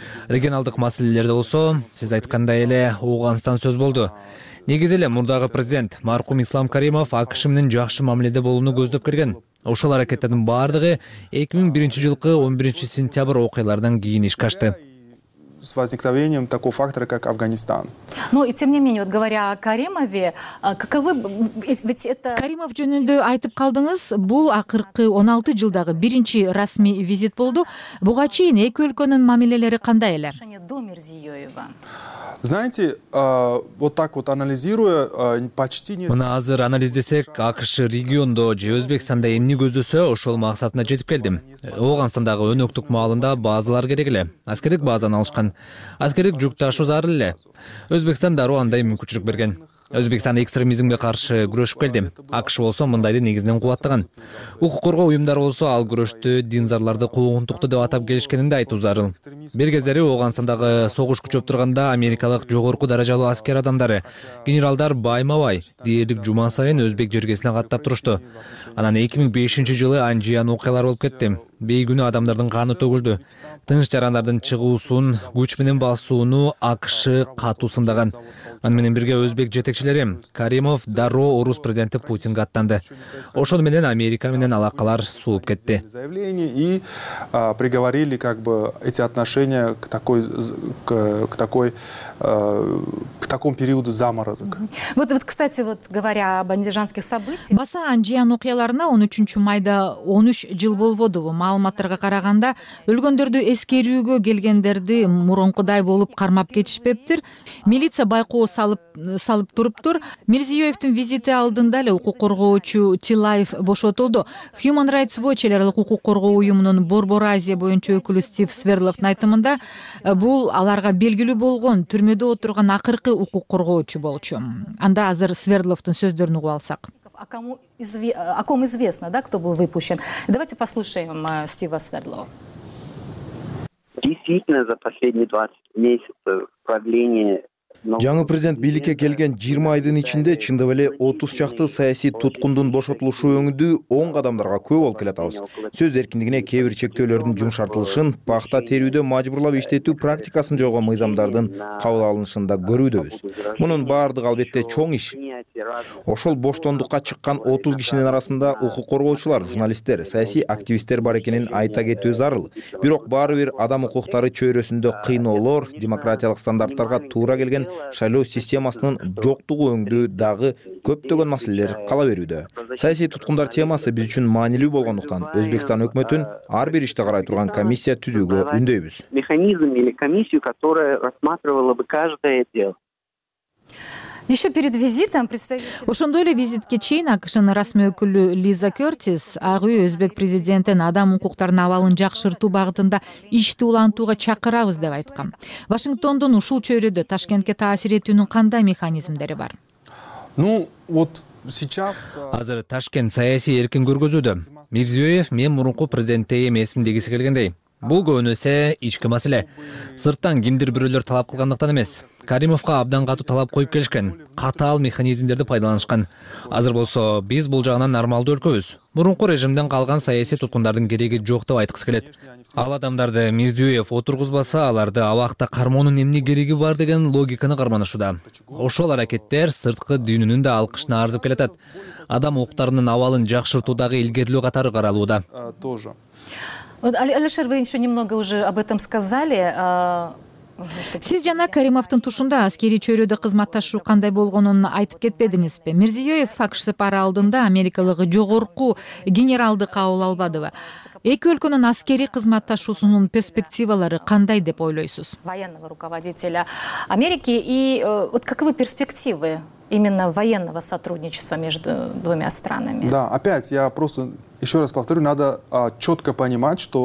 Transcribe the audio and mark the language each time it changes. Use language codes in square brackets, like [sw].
[ky] Регионалдык маселелерде болсо, сиз айткандай эле Ооганстан сөз болду. Негизи эле мурдагы президент маркум Ислам Каримов АКШ менен жакшы мамиледе болууну көздөп келген. Ошол аракеттердин баардыгы 2001 жылкы 11 сентябрь окуялардан кийин ишке ашты. [ru] С возникновением такого фактора, как Афганистан. Ну и тем не менее, вот говоря о Каримове, каковы ведь это [ky] Каримов жөнүндө айтып калдыңыз, бул акыркы 16 жылдагы биринчи расмий визит болду. Буга чейин эки өлкөнүн мамилелери кандай эле? [ru] Знаете, вот так вот анализируя, почти нет. [ky] Мына азыр анализдесек, АКШ региондо же Өзбекстанда эмне көздөсө, ошол максатына жетип келдим. Оогандагы өнөктүк маалында базалар керек эле. Аскердик базаны алышкан. Аскердик жүк ташуу зарыл эле. Өзбекстан дароо андай мүмкүнчүлүк берген. Өзбекстан экстремизмге каршы күрөшүп келди. АКШ болсо мындайды негизинен кубаттаган. Укук коргоо уюмдары болсо ал күрөштү динзарларды куугунтукту деп атап келишкенин да айтуу зарыл. Бир кездери Ооганстандагы согуш күчөп турганда америкалык жогорку даражалуу аскер адамдары, генералдар байма-бай дээрлик жума сайын өзбек жергесине каттап турушту. Анан 2005 жылы Анжиян окуялары болуп кетти. Бейкүнө адамдардын каны төгүлдү. Тынч жарандардын чыгуусун, күч менен басууну АКШ катуу сындаган. Аны менен бирге өзбек жетекчилери Каримов дароо орус президенти Путинге аттанды. Ошон менен Америка менен алакалар сууп кетти. [ru] Заявление и приговорили как бы эти отношения к такому периоду заморозок. Вот, кстати, говоря об андижанских событиях. [ky] Баса Анжиян окуяларына 13 майда 13 жыл болбодубу? маалыматтарга караганда, өлгөндөрдү эскерүүгө келгендерди мурункудай болуп кармап кетишпептир. Милиция байкоо салып туруптур. Мирзиёевдин визити алдында эле укук коргоочу Тилаев бошотулду. Human Rights Watch эл аралык укук коргоо уюмунун Борбор Азия боюнча өкүлү Стив Свердловдун айтымында, бул аларга белгилүү болгон түрмөдө отурган акыркы укук коргоочу болчу. Анда азыр Свердловдун сөздөрүн угуп алсак. [ru] О ком известно, да, кто был выпущен. Давайте послушаем Стива Свердлова. Действительно, за последние 20 месяцев правление... [ky] Жаңы президент бийликке келген 20 айдын ичинде чындап эле 30 чакты саясий туткундун бошотулушу өңүндө оң кадамдарга көп болуп келатабыз. Сөз эркиндигине кээ бир чектөөлөрдүн жумшартылышын, пахта терүүдө мажбурлап иштетүү практикасын жойгон мыйзамдардын кабыл алынышында көрүүдөбүз. Мунун баардыгы албетте чоң иш. Ошол боштондукка чыккан 30 кишинин арасында укук коргоочулар, журналисттер, саясий активисттер бар экенин айта кетүү зарыл. Бирок баары бир адам укуктары чөйрөсүндө кыйноолор, демократиялык стандарттарга туура келген шайлоо системасынын жоктугу өңдү дагы көптөгөн маселелер кала берүүдө. Саясий туткундар темасы биз үчүн маанилүү болгондуктан Өзбекстан өкмөтүн ар бир иште карай турган комиссия түзүүгө үндөйбүз. [ru] Механизм или комиссию, которая рассматривала бы каждое дело. Еще перед визитом представитель... [ky] Ошондой эле визитке чейин АКШнын расмий өкүлү Лиза Кёртис Ак Үй өзбек президентин адам укуктарынын абалын жакшыртуу багытында ишти улантууга чакырабыз деп айткан. Вашингтондун ушул чөйрөдө Ташкентке таасир этүүнүн кандай механизмдери бар? [ru] Ну, вот сейчас [ky] азыр Ташкент саясий эркин көргөзүүдө. Мирзиёев мен мурунку президентке эмесмин дегиси келгендей, бул көбүнесе ички маселе. Сырттан кимдир бирөөлөр талап кылгандыктан эмес. Каримовго абдан катуу талап коюп келишкен, катаал механизмдерди пайдаланышкан. Азыр болсо биз бул жагынан нормалдуу өлкөбүз. Мурунку режимден калган саясий туткундардын кереги жок деп айткысы келет. Ал адамдарды Мирзиёев отургузбаса, аларды абакта кармоонун эмне кереги бар деген логиканы карманышууда. Ошол аракеттер сырткы дүйнөнүн да алкышына арзып келатат. Адам укуктарынын абалын жакшыртуудагы илгерилөө катары каралууда. [ru] Алишер, вы еще немного уже об этом сказали. [ky] Сиз жана Каримовдун тушунда аскерий чөйрөдө кызматташуу кандай болгонун айтып кетпедиңизби? Мирзиёев факш сапары алдында америкалык жогорку генералды кабыл албадыбы? Эки өлкөнүн аскерий кызматташуусунун перспективалары кандай деп ойлойсуз? [ru] Военного руководителя Америки и вот каковы перспективы именно военного сотрудничества между двумя странами? Да, опять я просто еще раз повторю, надо четко понимать, что